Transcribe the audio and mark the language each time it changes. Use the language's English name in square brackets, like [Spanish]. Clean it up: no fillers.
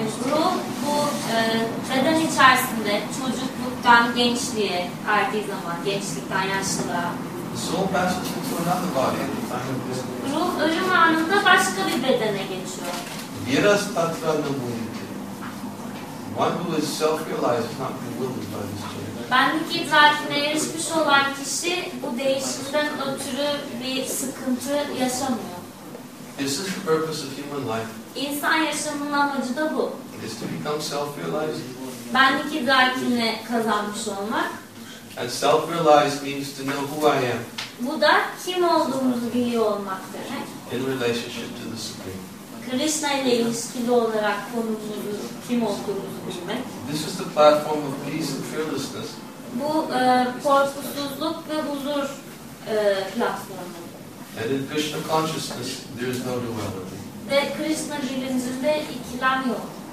[Turkish] Ruh bu beden içerisinde çocukluktan gençliğe erdiği zaman, gençlikten yaşlılığa. [English] Soul passes into another body. [Turkish] Ruh ölüm anında başka bir bedene geçiyor. Biraz tatlandı bu. [English] One who is self-realized is not bewildered by this change. [Turkish] Benlik idrakine erişmiş olan kişi bu değişimden ötürü bir sıkıntı yaşamıyor. [English] This is the purpose of human life. [Turkish] İnsan yaşamının amacı da bu. [English] It is to become self-realized. [Turkish] Benlik idrakine kazanmış olmak. [English] And self-realized means to know who I am. [Turkish] Bu da kim olduğumuzu biliyor olmak demek. [English] In relationship to the Supreme. [Turkish] Krishna ile ilişkili olarak konumuzu, kim olduğumuzu bilmek. [English] This is the platform of peace and fearlessness. [Turkish] Bu korkusuzluk ve huzur platformu. [English] And in Krishna consciousness, there is no duality. [Turkish] Ve Krishna bilincinde ikilem yok.